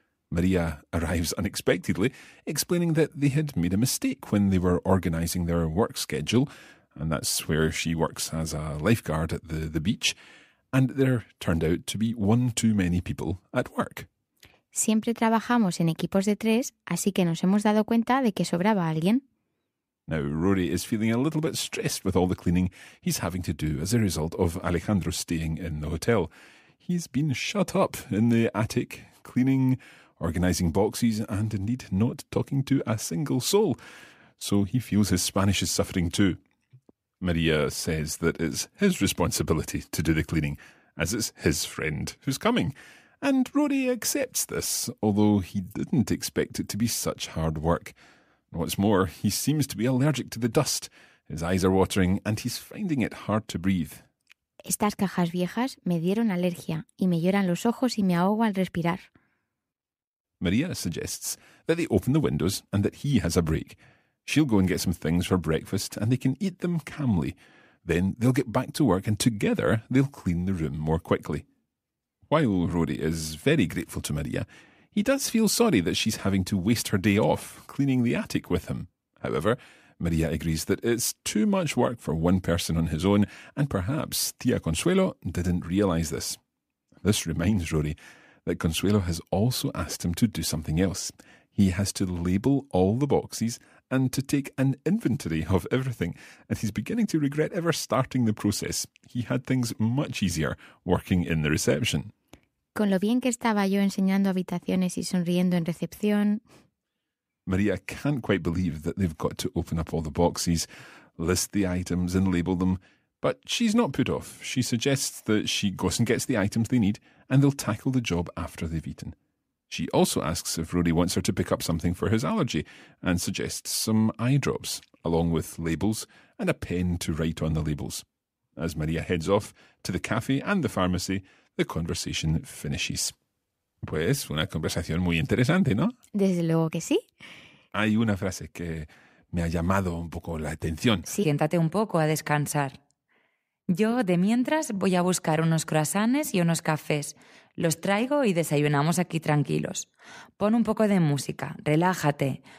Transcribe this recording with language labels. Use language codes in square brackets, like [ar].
[en] Maria arrives unexpectedly, explaining that they had made a mistake when they were organising their work schedule, and that's where she works as a lifeguard at the beach, and there turned out to be one too many people at work. [es] Siempre trabajamos en equipos de tres, así que nos hemos dado cuenta de que sobraba alguien. [en] Now, Rory is feeling a little bit stressed with all the cleaning he's having to do as a result of Alejandro staying in the hotel. He's been shut up in the attic, cleaning, organising boxes, and indeed not talking to a single soul. So he feels his Spanish is suffering too. Maria says that it's his responsibility to do the cleaning, as it's his friend who's coming. And Rory accepts this, although he didn't expect it to be such hard work. What's more, he seems to be allergic to the dust. His eyes are watering and he's finding it hard to breathe. [es] Estas cajas viejas me dieron alergia y me lloran los ojos y me ahogo al respirar. [en] Maria suggests that they open the windows and that he has a break. She'll go and get some things for breakfast and they can eat them calmly. Then they'll get back to work and together they'll clean the room more quickly. While Rory is very grateful to Maria, he does feel sorry that she's having to waste her day off cleaning the attic with him. However, Maria agrees that it's too much work for one person on his own, and perhaps Tia Consuelo didn't realise this. This reminds Rory that Consuelo has also asked him to do something else. He has to label all the boxes and to take an inventory of everything, and he's beginning to regret ever starting the process. He had things much easier working in the reception. [es] Con lo bien que estaba yo enseñando habitaciones y sonriendo en recepción. [en] Maria can't quite believe that they've got to open up all the boxes, list the items and label them, but she's not put off. She suggests that she goes and gets the items they need and they'll tackle the job after they've eaten. She also asks if Rory wants her to pick up something for his allergy and suggests some eye drops, along with labels and a pen to write on the labels. As Maria heads off to the cafe and the pharmacy, the conversation finishes. [es] Pues, una conversación muy interesante, ¿no? Desde luego que sí. Hay una frase que me ha llamado un poco la atención. Siéntate un poco a descansar. Yo, de mientras, voy a buscar unos croissants y unos cafés. Los traigo y desayunamos aquí tranquilos. Pon un poco de música, relájate.